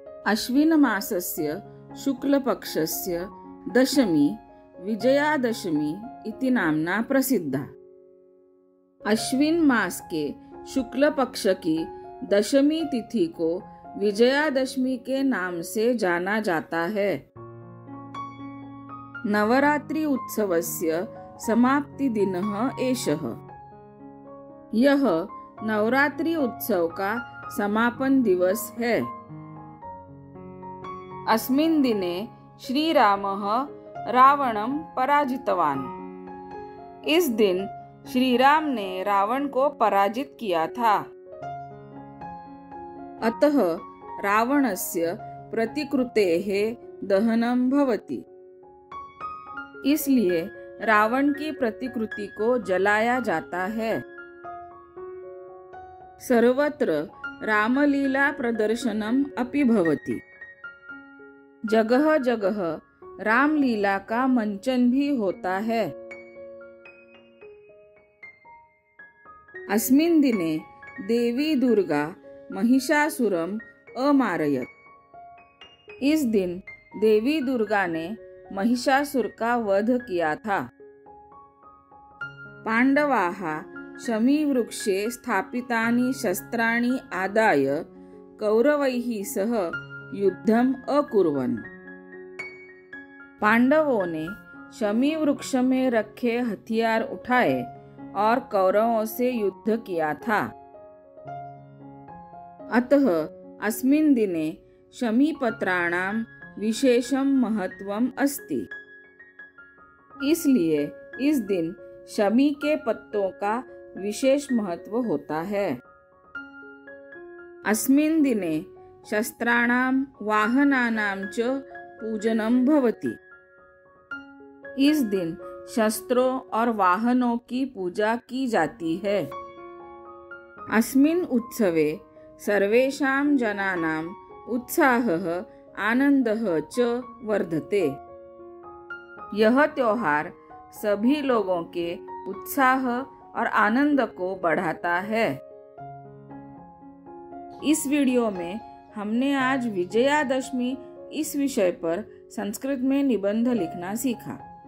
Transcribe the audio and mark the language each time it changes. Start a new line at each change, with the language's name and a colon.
Sanskrit: अश्विन मासस्य शुक्लपक्षस्य दशमी विजयादशमी इति नामना प्रसिद्धा।
Hindi: अश्विन मास के शुक्ल पक्ष की दशमी तिथि को विजयादशमी के नाम से जाना जाता है।
Sanskrit: नवरात्रि उत्सवस्य समाप्ति दिनः एषः।
Hindi: यह नवरात्रि उत्सव का समापन दिवस है।
Sanskrit: अस्मिन् दिने श्री रामः रावणं पराजितवान्।
Hindi: इस दिन श्री राम ने रावण को पराजित किया था।
Sanskrit: अतः रावणस्य प्रतिकृतेः दहनं भवति।
Hindi: इसलिए रावण की प्रतिकृति को जलाया जाता है।
Sanskrit: सर्वत्र रामलीला प्रदर्शनम् अपि भवति।
Hindi: जगह जगह रामलीला का मंचन भी होता है।
Sanskrit: अस्मिन् दिने देवी दुर्गा महिषासुरम अमारयत।
Hindi: इस दिन देवी दुर्गा ने महिषासुर का वध किया था।
Sanskrit: पांडवाः शमी वृक्षे स्थापितानि शस्त्राणि आदाय कौरवैः सह युद्धम अकुर्वन्।
Hindi: पांडवों ने शमी वृक्ष में रखे हथियार उठाए और कौरवों से युद्ध किया था।
Sanskrit: अतः अस्मिन् दिने शमी पत्राणां विशेषम महत्वम अस्ति।
Hindi: इसलिए इस दिन शमी के पत्तों का विशेष महत्व होता है।
Sanskrit: अस्मिन् दिने शस्त्राणां वाहनानां च पूजनं भवति।
Hindi: इस दिन शस्त्रों और वाहनों की पूजा की जाती है।
Sanskrit: अस्मिन् उत्सवे सर्वेषां जनानां उत्साहः आनंदः च वर्धते।
Hindi: यह त्योहार सभी लोगों के उत्साह और आनंद को बढ़ाता है। इस वीडियो में हमने आज विजयादशमी इस विषय पर संस्कृत में निबंध लिखना सीखा।